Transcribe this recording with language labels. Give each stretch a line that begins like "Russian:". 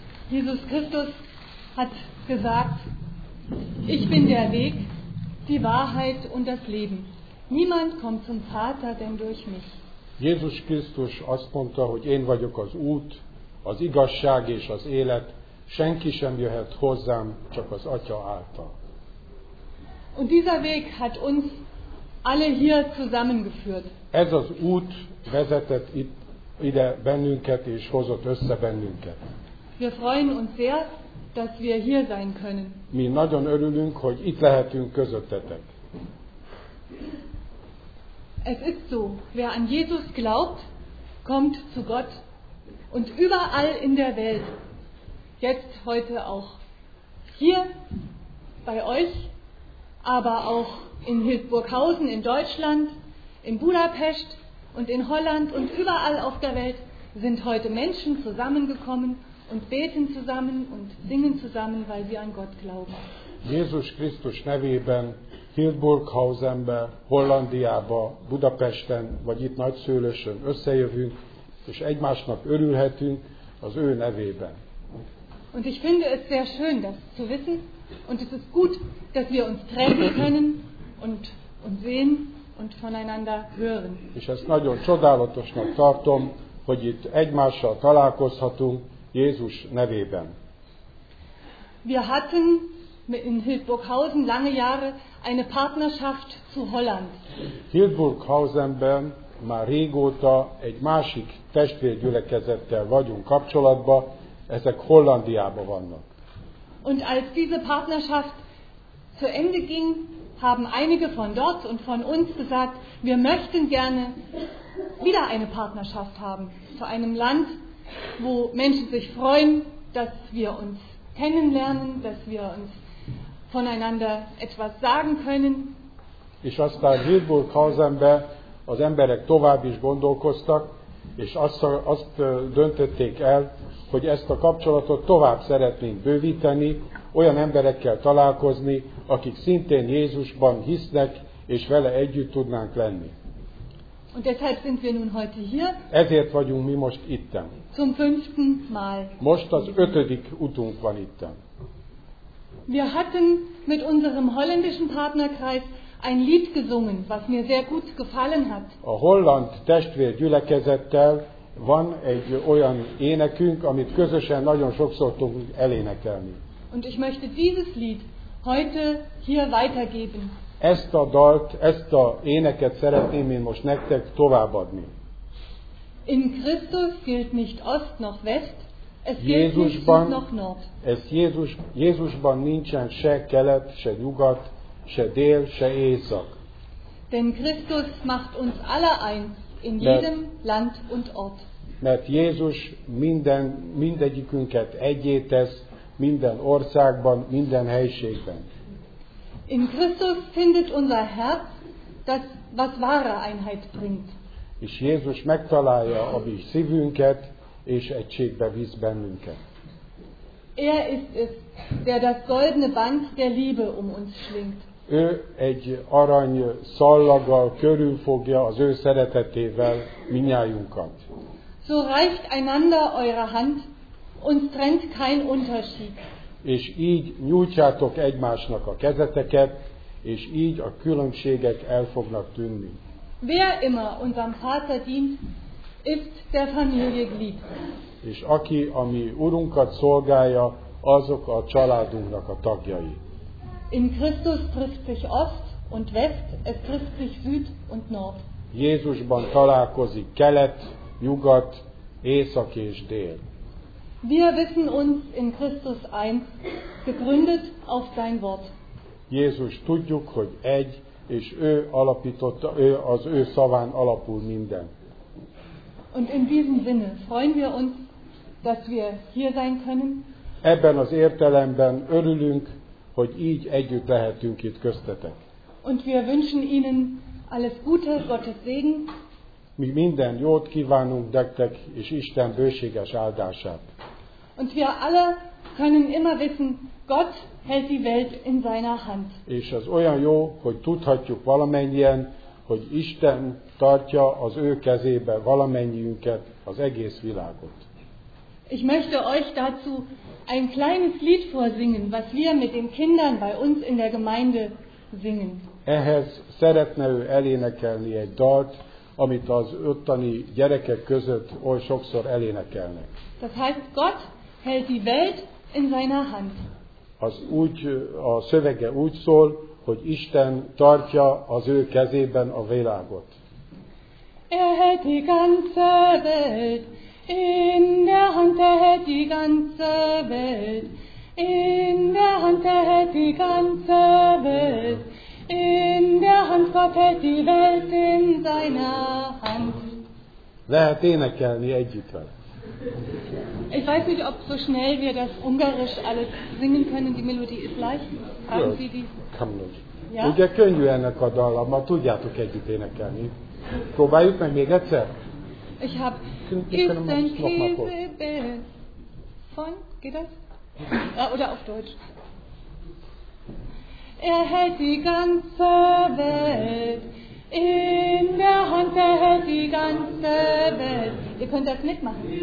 German: Jesus Christus hat gesagt, ich bin der Weg, die Wahrheit und das Leben. Niemand kommt zum Vater, denn durch mich.
Hungarian: Jesus Christus azt mondta, hogy én vagyok az út, az igazság és az élet, senki sem jöhet hozzám, csak az Atya által.
German: Und dieser Weg hat uns alle hier zusammengeführt.
Hungarian: Ez az út vezetett itt, ide bennünket és hozott össze bennünket.
German: Wir freuen uns sehr, dass wir hier sein können.
Hungarian: Mi nagyon örülünk, hogy itt lehetünk közöttetek.
German: Es ist so, wer an Jesus glaubt, kommt zu Gott und überall in der Welt, jetzt heute auch hier bei euch, aber auch in Hildburghausen in Deutschland, in Budapest und in Holland und überall auf der Welt sind heute Menschen zusammengekommen und beten zusammen und singen zusammen, weil sie an Gott glauben.
Hungarian: Jesus Christus nevében Hildburghausenbe, Hollandiába, Budapesten vagy itt Nagyszőlősön összejövünk és egymásnak örülhetünk az ő nevében.
German: Und ich finde es sehr schön das zu wissen und es ist gut, dass wir uns treffen können und sehen und voneinander hören.
Hungarian: És ezt nagyon csodálatosnak tartom, hogy itt egymással találkozhatunk Jézus nevében.
German: Wir hatten in Hildburghausen lange Jahre eine Partnerschaft zu Holland.
Hungarian: Hildburghausenben már régóta egy másik testvérgyülekezettel vagyunk kapcsolatba, ezek Hollandiában vannak.
German: Und als diese Partnerschaft zu Ende ging, haben einige von dort und von uns gesagt, wir möchten gerne wieder eine Partnerschaft haben zu einem Land, wo Menschen sich freuen, dass wir uns kennenlernen, dass wir uns voneinander etwas sagen können.
Hungarian: És aztán Hildburghausenbe az emberek tovább is gondolkoztak, és azt döntötték el, hogy ezt a kapcsolatot tovább szeretnénk bővíteni, olyan emberekkel találkozni, akik szintén Jézusban hisznek, és vele együtt tudnánk lenni.
German: Und deshalb sind wir nun heute hier.
Hungarian: Ezért vagyunk mi most itten.
German: Zum fünften Mal.
Hungarian: Most az ötödik utunk van itten.
German: Wir hatten mit unserem holländischen Partnerkreis ein Lied gesungen, was mir sehr gut gefallen hat.
Hungarian: A holland testvérgyülekezettel van egy olyan énekünk, amit közösen nagyon sokszor tudunk elénekelni.
German: Und ich möchte dieses Lied heute hier weitergeben.
Hungarian: Ezt a dalt, ezt a éneket szeretném én most nektek továbbadni.
German: In Christus gilt nicht Ost noch West, es Jézusban, gilt nicht Süd noch Nord.
Hungarian: Ez Jézus, Jézusban nincsen se kelet, se nyugat, se dél, se észak.
German: Denn Christus macht uns alle ein, in jedem Land und Ort.
Hungarian: Mert Jézus mindegyikünket egyé tesz, minden országban, minden helységben.
German: In Christus findet unser Herz das, was wahre Einheit bringt.
Hungarian: És Jézus megtalálja a mi szívünket, és egységbe visz bennünket.
German: Er ist es, der das goldene Band der Liebe uns schlingt.
Hungarian: Ő egy arany szallaggal körülfogja az ő szeretetével minnyájunkat.
German: So reicht einander eure Hand, uns trennt kein Unterschied.
Hungarian: És így nyújtjátok egymásnak a kezeteket, és így a különbségek el fognak tűnni.
German: Wer immer unserem Vater dient, ist der Familie glied.
Hungarian: És aki a mi Urunkat szolgálja, azok a családunknak a tagjai.
German: In Christus trifft sich Ost und West, es trifft sich Süd und Nord.
Hungarian: Jézusban találkozik kelet, nyugat, észak és dél.
German: Wir wissen uns in Christus eins, gegründet auf dein Wort.
Hungarian: Jézus tudjuk, hogy egy, és ő alapította, ő, az ő szaván alapul minden.
German: Und in diesem Sinne freuen wir uns, dass wir hier sein können.
Hungarian: Ebben az értelemben örülünk, hogy így együtt lehetünk itt köztetek.
German: Und wir wünschen Ihnen alles Gute, Gottes Segen.
Hungarian: Mi minden jót kívánunk nektek és Isten bőséges áldását.
German: Und wir alle können immer wissen, Gott hält die Welt in seiner Hand.
Hungarian: És az olyan jó, hogy tudhatjuk valamennyien, hogy Isten tartja az ő kezébe valamennyiünket, az egész világot.
German: Ich möchte euch dazu ein kleines Lied vorsingen, was wir mit den Kindern bei uns in der Gemeinde singen.
Hungarian: Ehhez szeretne ő elénekelni egy dalt, amit az ottani gyerekek között oly sokszor elénekelnek.
German: Das heißt, Gott hält die Welt in seiner Hand.
Hungarian: Az úgy, a szövege úgy szól, hogy Isten tartja az ő kezében a világot.
German: Er hält die ganze Welt in der Hand, er hält die ganze Welt in der Hand, er hält die ganze Welt in der Hand, Gott hält die Welt in seiner Hand.
Hungarian: Lehet énekelni együtt vele.
German: Ich weiß nicht, ob so schnell wir das Ungarisch alles singen können. Die Melodie ist leicht. Haben Sie die? Kann man. Ja?
Hungarian: Ugye könnyű ennek a dallal, ma tudjátok együtt énekelni. Próbáljuk meg még egyszer.
German: Ich hab Kisten, Kisten, von, geht das? Oder auf Deutsch. Er hält die ganze Welt in der Hand, er hält die ganze Welt. Ihr könnt das mitmachen.